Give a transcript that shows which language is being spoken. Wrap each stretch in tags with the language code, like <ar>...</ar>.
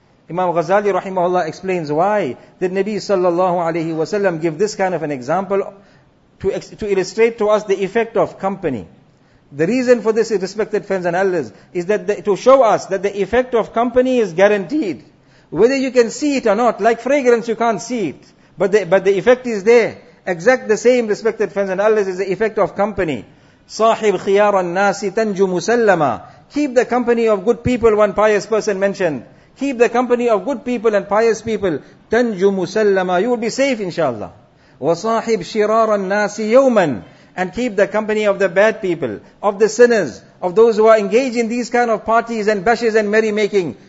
<en>Imam Ghazali rahimahullah explains why did Nabi sallallahu alayhi wa sallam give this kind of an example to illustrate to us the effect of company. The reason for this, respected friends and elders, is that to show us that the effect of company is guaranteed. Whether you can see it or not, like fragrance, you can't see it. But the effect is there. Exact the same, respected friends and elders, is the effect of company.</en> <ar>صاحب خيار الناس تنجو مسلما.</ar> <en>Keep the company of good people, one pious person mentioned. Keep the company of good people and pious people.</en> <ar>تنجو مسلما.</ar> <en>You will be safe, inshallah.</en> <ar>وصاحب شرار الناس يوما.</ar> <en>And keep the company of the bad people, of the sinners, of those who are engaged in these kind of parties and bashes and merrymaking.</en>